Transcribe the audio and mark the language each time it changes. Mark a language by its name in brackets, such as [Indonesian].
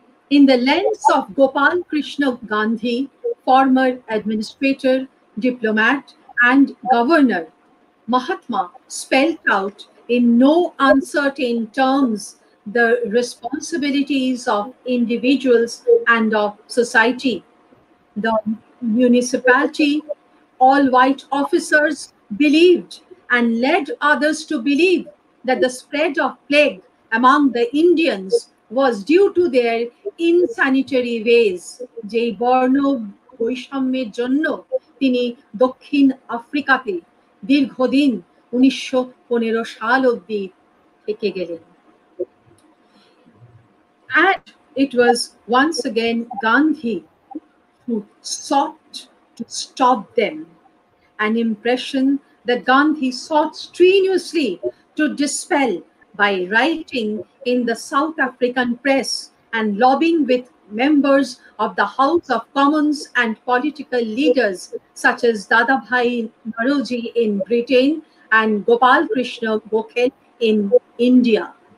[English] In the lens of Gopal Krishna Gandhi, former administrator, diplomat, and governor, Mahatma spelt out in no uncertain terms the responsibilities of individuals and of society. The municipality, all white officers believed and led others to believe that the spread of plague among the Indians was due to their insanitary ways. [Bangla] যে বর্ণ বৈষম্যের জন্য তিনি দক্ষিণ আফ্রিকাতে দীর্ঘদিন ১৯১৫ সাল অবধি থেকে গেলেন। [English] And it was once again Gandhi who sought to stop them. An impression that Gandhi sought strenuously to dispel by writing in the South African press and lobbying with members of the House of Commons and political leaders such as Dadabhai Naroji in Britain and Gopal Krishna Gokhale in India.